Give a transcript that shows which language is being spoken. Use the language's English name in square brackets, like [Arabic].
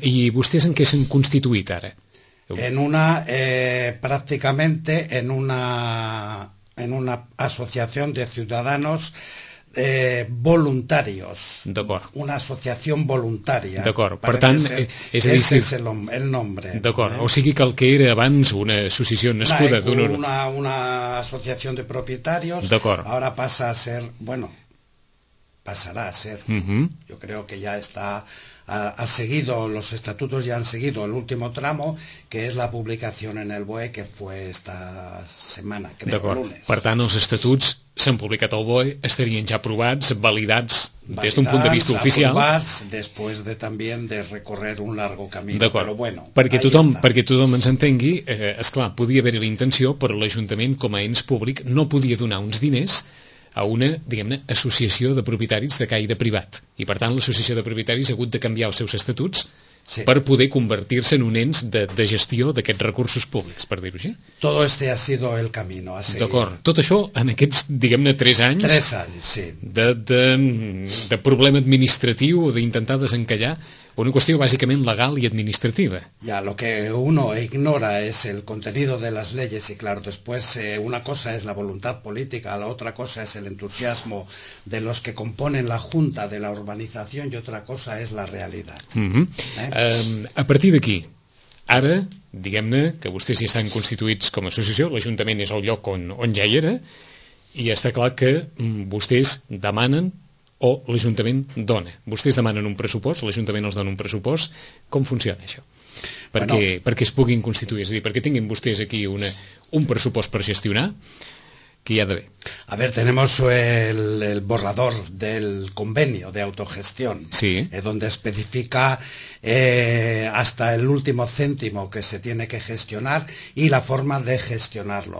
[Spanish] ¿Y ustedes en qué se han constituido ahora? En una, prácticamente en una asociación de ciudadanos voluntarios. [Catalan] D'acord. [Spanish] Una asociación voluntaria. [Catalan] D'acord. Per tant, [Spanish] és el nombre. [Catalan] D'acord. O sigui que el que era abans una associació nascuda d'un... [Spanish] Una asociación de propietarios. [Catalan] D'acord. [Spanish] Ahora pasa a ser, bueno, pasará a ser. Yo creo que ya está... Ha seguido, los estatutos ya han seguido el último tramo, que es la publicación en el BOE, que fue esta semana, creo, el lunes. [Catalan] Per tant, els estatuts s'han publicat al BOE, estarien ja aprovats, validats, des d'un punt de vista oficial. Aprovats després de també de recorrer un largo camí. D'acord, bueno, perquè tothom ens entengui, esclar, podia haver-hi la intenció, però l'Ajuntament, com a ens públic, no podia donar uns diners a una, diguem-ne, associació de propietaris de caire privat. I, per tant, l'associació de propietaris ha hagut de canviar els seus estatuts. Sí. Per poder convertir-se en un ens de gestió d'aquests recursos públics, per dir-ho així. [Spanish] Todo este ha sido el camino a seguir. [Catalan] D'acord. Tot això en aquests, diguem-ne, tres anys, sí. De problema administratiu, d'intentar desencallar una qüestió bàsicament legal i administrativa. [Spanish] Ya, lo que uno ignora es el contenido de las leyes y claro, después una cosa es la voluntad política, la otra cosa es el entusiasmo de los que componen la junta de la urbanización y otra cosa es la realidad. Uh-huh. [Catalan] A partir d'aquí, ara, diguem-ne, que vostès ja estan constituïts com a associació, l'Ajuntament és el lloc on ja hi era, i està clar que vostès demanen o l'Ajuntament dona. Vostès demanen un pressupost, l'Ajuntament els dona un pressupost. Com funciona això? Perquè es puguin constituir, és a dir, perquè tinguin vostès aquí un pressupost per gestionar, que hi ha d'haver. [Spanish] A ver, tenemos el borrador del convenio de autogestión, sí. Donde especifica hasta el último céntimo que se tiene que gestionar y la forma de gestionarlo.